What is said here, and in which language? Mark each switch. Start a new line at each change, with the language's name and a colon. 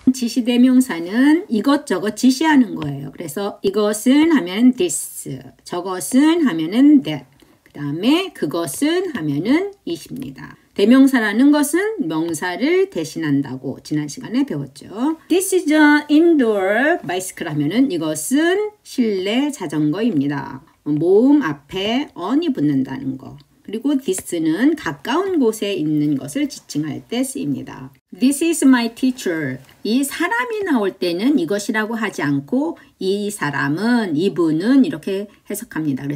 Korean: 지시 대명사는 이것저것 지시하는 거예요. 그래서 이것은 하면 this, 저것은 하면은 that, 그 다음에 그것은 하면은 is입니다. 대명사라는 것은 명사를 대신한다고 지난 시간에 배웠죠.
English: This is an indoor bicycle
Korean: 하면은 이것은 실내 자전거입니다. 모음 앞에 on이 붙는다는 거. 그리고 this는 가까운 곳에 있는 것을 지칭할 때 쓰입니다.
English: This is my teacher.
Korean: 이 사람이 나올 때는 이것이라고 하지 않고 이 사람은, 이분은 이렇게 해석합니다.